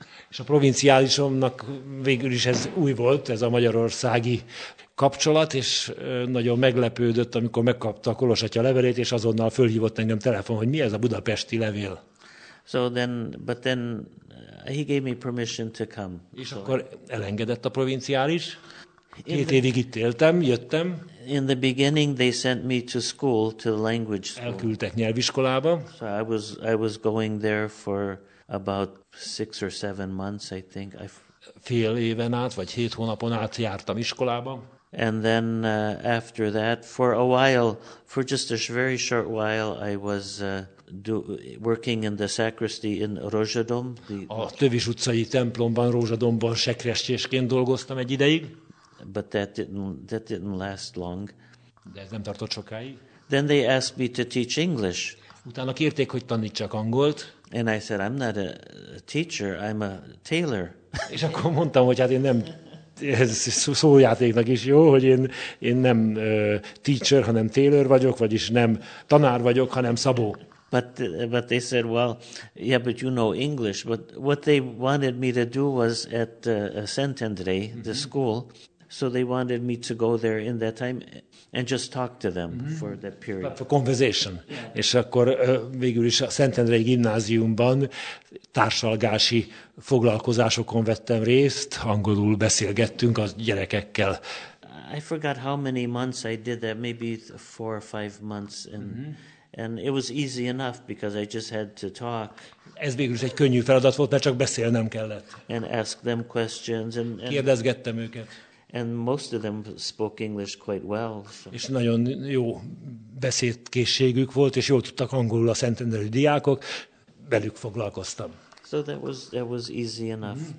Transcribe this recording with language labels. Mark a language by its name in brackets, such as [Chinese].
[Hungarian] És a provinciálisomnak végül is ez új volt, ez a magyarországi kapcsolat, és nagyon meglepődött, amikor megkapta a Kolos atya levelét, és azonnal fölhívott engem telefon, hogy mi ez a budapesti levél. [English] But then he gave me permission to come. [Hungarian] És akkor elengedett a provinciális. Két évig itt éltem, jöttem. [English] In the beginning they sent me to school, to the language school. [Hungarian] Elküldtek nyelviskolába. [English] So I was going there for about 6 or 7 months, I think. [Hungarian] Fél éven át, vagy 7 hónapon át jártam iskolába. [English] And then after that, for a while, for just a very short while, I was working in the sacristy in Rozsadom. [Hungarian] A Tövis utcai templomban, Rozsadomban sekrestésként dolgoztam egy ideig. [English] But that didn't last long. [Hungarian] De ez nem tartott sokáig. [English] Then they asked me to teach English. [Hungarian] Utána kérték, hogy tanítsak angolt. [English] And I said, I'm not a teacher, I'm a tailor. [Hungarian] És akkor mondtam, hogy hát én nem, ez szójátéknak is jó, hogy én nem teacher, hanem tailor vagyok, vagyis nem tanár vagyok, hanem szabó. [English] But they said, well, yeah, but you know English. But what they wanted me to do was at Saint-André, the school. So they wanted me to go there in that time and just talk to them for that period. For conversation. Yeah. [Hungarian] És akkor végül is a Szentendre gimnáziumban társalgási foglalkozásokon vettem részt, angolul beszélgettünk a gyerekekkel. [English] I forgot how many months I did that, maybe 4 or 5 months. And it was easy enough because I just had to talk. [Hungarian] Ez végül is egy könnyű feladat volt, mert csak beszélnem kellett. [English] And ask them questions. And [Hungarian] kérdezgettem őket. [English] And most of them spoke English quite well. So. [Hungarian] És nagyon jó beszédkészségük volt, és jól tudtak angolul a szentendrei diákok. Velük foglalkoztam. [English] So that was easy enough.